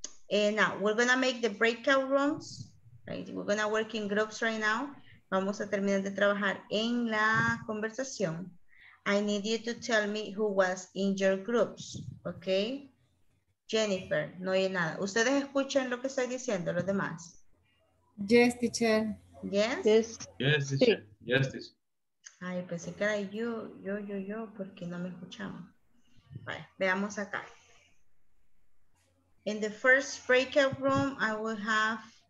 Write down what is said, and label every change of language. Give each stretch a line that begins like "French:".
English: And now we're gonna make the breakout rooms, right? We're gonna work in groups right now.
Spanish: Vamos a terminar de trabajar en la conversación.
English: I need you to tell me who was in your groups, okay?
Spanish: Jennifer, no hay nada. ¿Ustedes escuchan lo que estoy diciendo, los demás?
English: Yes, teacher. Yes? Yes, yes, teacher.
Spanish: Sí.
English: Yes, teacher.
Spanish: Ay, pensé que era yo, porque no me escuchamos. Vale, veamos acá.
English: In the first breakout room, I will have...